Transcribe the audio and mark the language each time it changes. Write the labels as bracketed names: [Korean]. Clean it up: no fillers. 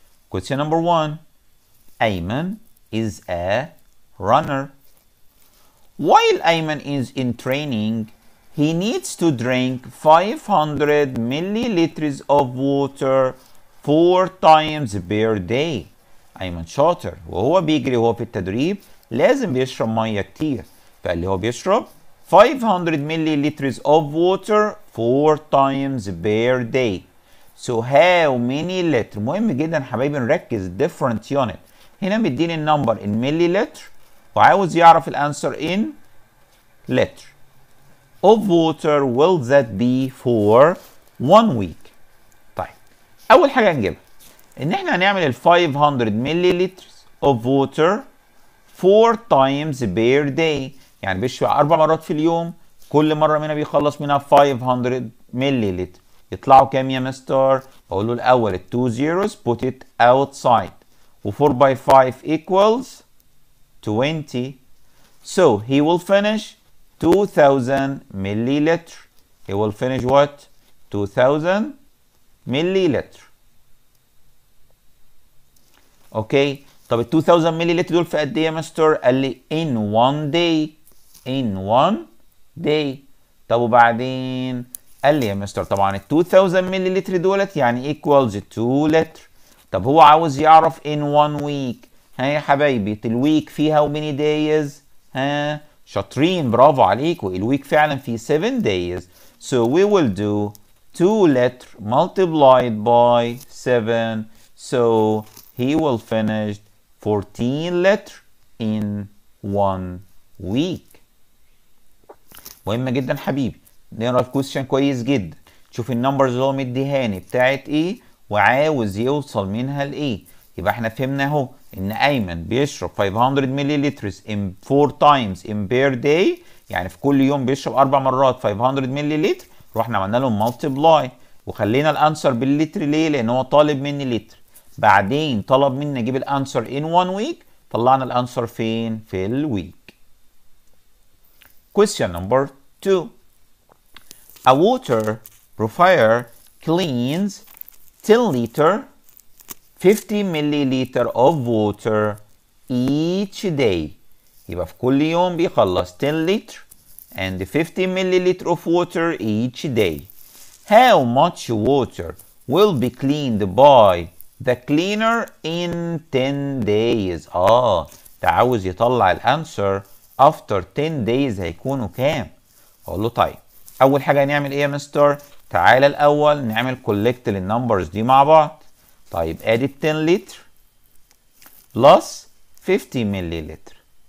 [English] Question number one. Ayman is a runner. While Ayman is in training, he needs to drink 500 milliliters of water 4 times per day. [Arabic] Ayman شاطر وهو بيجري وهو في التدريب لازم بيشرب مية كتير. فقال لي هو بيشرب [English] 500 milliliters of water 4 times per day. So how many liter? [Arabic] مهم جدا حبايبي نركز [English] different unit. [Arabic] هنا مديني النمبر [English] in milliliter [Arabic] وعاوز يعرف الانسر [English] in liter of water will that be for 1 week. [Arabic] طيب اول حاجة نجيبها ان احنا هنعمل ال [English] 500 milliliters of water 4 times per day [Arabic] يعني بيشوي 4 مرات في اليوم كل مرة منها بيخلص منها 500 milliliters يطلعوا كام يا مستر؟ اقوله الاول ال [English] 2 zeros put it outside [Arabic] و [English] 4 by 5 equals 20. So he will finish 2000 milliliter. He will finish what? 2000 milliliter. Okay. [Arabic] طب 2000 milliliter دول في قد ايه يا مستر؟ قال لي [English] in one day. In one day. [Arabic] طب وبعدين؟ قال لي يا مستر طبعا 2000 milliliter دولت يعني [English] equals 2 liters. [Arabic] طب هو عاوز يعرف [English] in 1 week. [Arabic] ها يا حبايبي ال week فيها [English] how many days؟ [Arabic] ها شاطرين برافو عليكم ال week فعلا في 7 days. [English] So we will do 2 liter multiplied by 7. So he will finish 14 liter in 1 week. [Arabic] مهمة جدا حبيبي نقرا الكويستشن كويس جدا. شوف النمبرز اللي هو مديهاني بتاعت ايه؟ وعاوز يوصل منها لإيه. يبقى احنا فهمنا هو ان ايمن بيشرب 500 ملي لترز [English] in 4 times in per day، [Arabic] يعني في كل يوم بيشرب 4 مرات 500 ملي لتر. روحنا عملنا له multiply وخلينا الانسر بالليتر. ليه؟ لان هو طالب مني لتر. بعدين طلب مني اجيب الانسر [English] in 1 week، [Arabic] طلعنا الانسر فين؟ في الويك. [English] question number 2. A water profile cleans 10 liter 50 milliliter of water each day. [Arabic] يبقى في كل يوم بيخلص [English] 10 liter and 50 milliliter of water each day. How much water will be cleaned by the cleaner in 10 days? [Arabic] ده عاوز يطلع الانسر [English] after 10 days [Arabic] هيكونوا كام؟ اقول له طيب اول حاجة هنعمل ايه يا مستر؟ تعال الاول نعمل collect للنمبرز دي مع بعض. طيب ادي 10 لتر بلس 50 ملي لتر.